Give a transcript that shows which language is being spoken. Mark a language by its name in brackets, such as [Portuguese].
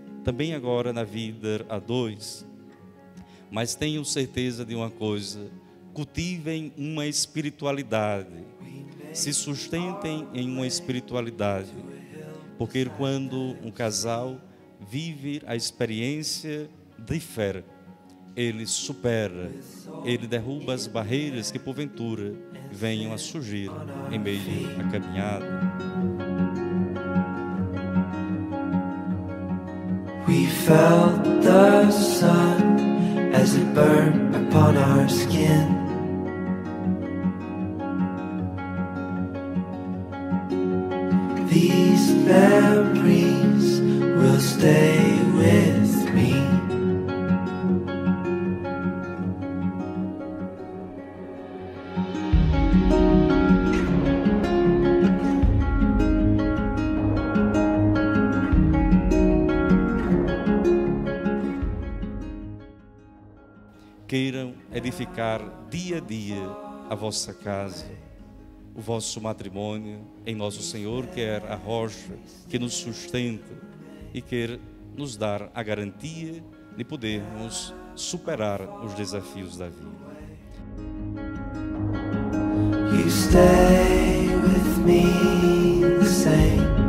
[Portuguese] também agora na vida a dois. Mas tenham certeza de uma coisa: cultivem uma espiritualidade, se sustentem em uma espiritualidade, porque quando um casal vive a experiência de fé, ele supera, ele derruba as barreiras que porventura venham a surgir em meio à caminhada. [English] We felt the sun as it burned upon our skin. These memories will stay with me. [Portuguese] Queiram edificar dia a dia a vossa casa, o vosso matrimônio em nosso Senhor, que é a rocha que nos sustenta e quer nos dar a garantia de podermos superar os desafios da vida. [English] You stay with me the same.